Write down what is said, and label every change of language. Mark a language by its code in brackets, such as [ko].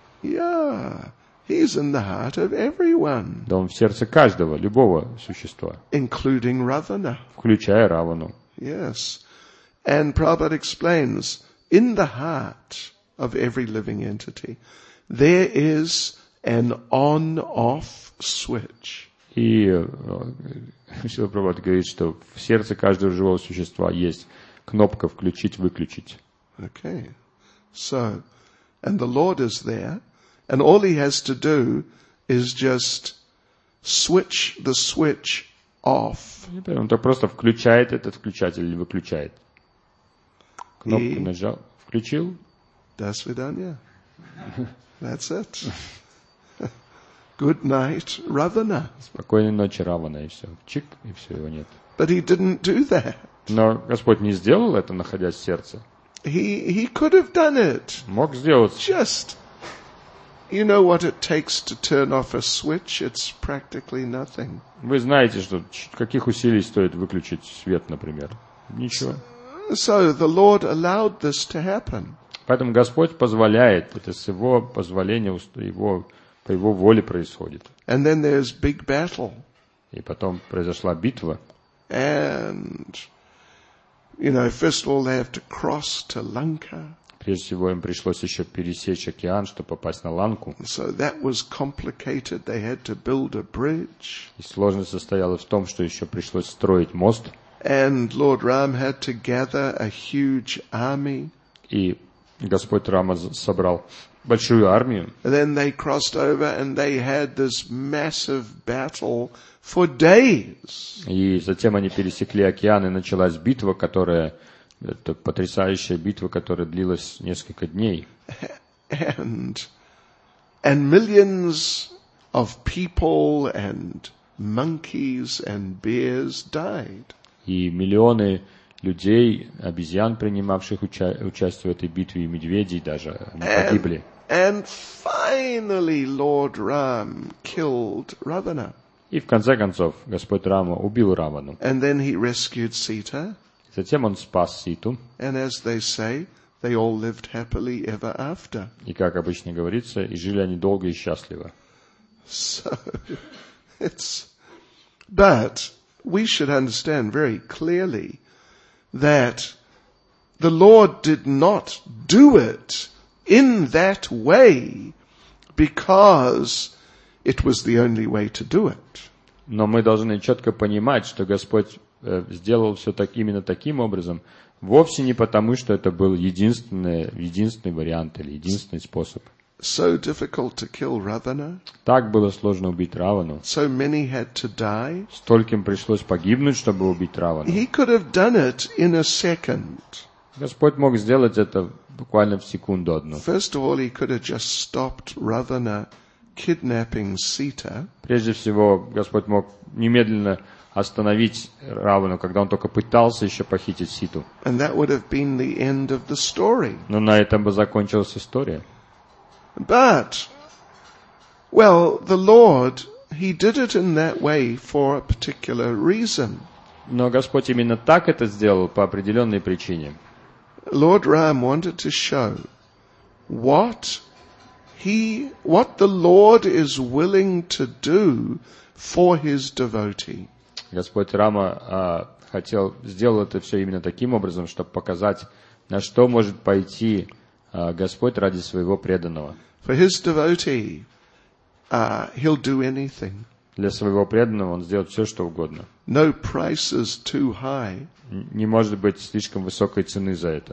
[en] Yeah, he's in the heart of everyone. [ru] Да, он в сердце каждого, любого существа. [en] Including Ravana. [ru] Включая Равану. [en] Yes. And Prabhupada explains, in the heart of every living entity, there is an on-off switch. [ru] И Шрила Прабхупада говорит, что в сердце каждого живого существа есть кнопка «включить-выключить». [en] Okay. So, and the Lord is there, and all he has to do is just switch the switch off. [ru] Он так просто включает этот включатель или выключает. Кнопку нажал, включил. До свидания. [en] That's it. Good night, Ravana. [ru] Спокойной ночи, Равана, и все. Чик, и все, его нет. [en] But he didn't do that. [ru] Но Господь не сделал это, находясь в сердце. [en] He could have done it. [ru] Мог сделать. [en] Just, you know what it takes to turn off a switch? It's practically nothing. [ru] Вы знаете, что каких усилий стоит выключить свет, например? Ничего. [en] So the Lord allowed this to happen. [ru] Поэтому Господь позволяет, это с его позволения, его... По его воле происходит. [en] And then there's big battle. [ru] И потом произошла битва. [en] And, you know, first of all, they have to cross to Lanka. [ru] Прежде всего, им пришлось еще пересечь океан, чтобы попасть на Ланку. [en] So that was complicated. They had to build a bridge. [ru] И сложность состояла в том, что еще пришлось строить мост. [en] And Lord Ram had to gather a huge army. [ru] И Господь Рама собрал большую армию. [en] Then they crossed over and they had this massive battle for days. [ru] И затем они пересекли океан, и началась битва, которая, это потрясающая битва, которая длилась несколько дней. [en] And millions of people and monkeys and bears died. [ru] И миллионы людей, обезьян, принимавших участие в этой битве, и медведей даже, они погибли. [en] And finally, Lord Ram killed Ravana. [ru] И в конце концов Господь Рама убил Равану. [en] And then he rescued Sita. [ru] Затем он спас Ситу. [en] And as they say, they all lived happily ever after. [ru] И как обычно говорится, и жили они долго и счастливо. [en] So it's, but we should understand very clearly that the Lord did not do it in that way, because it was the only way to do it. [ru] Но мы должны четко понимать, что Господь сделал все так, именно таким образом, вовсе не потому, что это был единственный вариант или единственный способ. [en] So difficult to kill Ravana. [ru] Так было сложно убить Равану. [en] So many had to die. [ru] Стольким пришлось погибнуть, чтобы убить Равану. [en] He could have done it in a second. [ru] Господь мог сделать это буквально в секунду одну. [en] First of all, he could have just stopped Ravana kidnapping Sita. [ru] Прежде всего, Господь мог немедленно остановить Равану, когда он только пытался еще похитить Ситу. [en] And that would have been the end of the story. [ru] Но на этом бы закончилась история. [en] But, well, the Lord He did it in that way for a particular reason. [ru] Но Господь именно так это сделал по определенной причине. [en] Lord Ram wanted to show what the Lord is willing to do for his devotee. [ru] Господь Рама хотел сделать это все именно таким образом, чтобы показать, на что может пойти Господь ради своего преданного. [en] For his devotee, he'll do anything. [ru] Для своего преданного он сделает все, что угодно. [en] No price is too high. [ru] Не может быть слишком высокой цены за это.